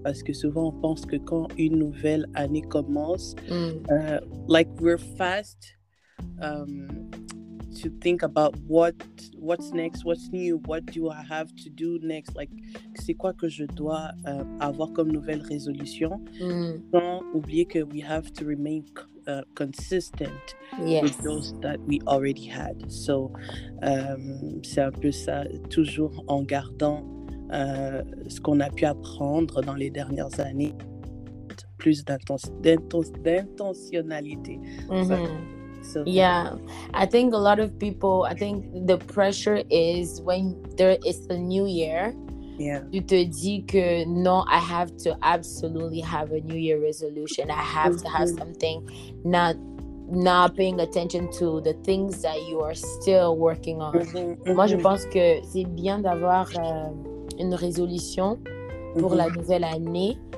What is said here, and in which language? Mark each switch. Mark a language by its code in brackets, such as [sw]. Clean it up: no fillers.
[fr] Parce que souvent, on pense que quand une nouvelle année commence, [en] like we're fast to think about what's next, what's new, what do I have to do next, like [fr] c'est quoi que je dois avoir comme nouvelle résolution, sans oublier que [en] we have to remain consistent with those that we already had. So [fr] c'est un peu ça, toujours en gardant ce qu'on a pu apprendre dans les dernières années, plus d'intentionnalité. [en] So, yeah, I think a lot of people, I think the pressure is when there is a new year. Yeah. [fr] Tu te dis que non, [en] I have to absolutely have a new year resolution. I have to have something, not paying attention to the things that you are still working on. [fr] Moi, je pense que c'est bien d'avoir une résolution pour la nouvelle année.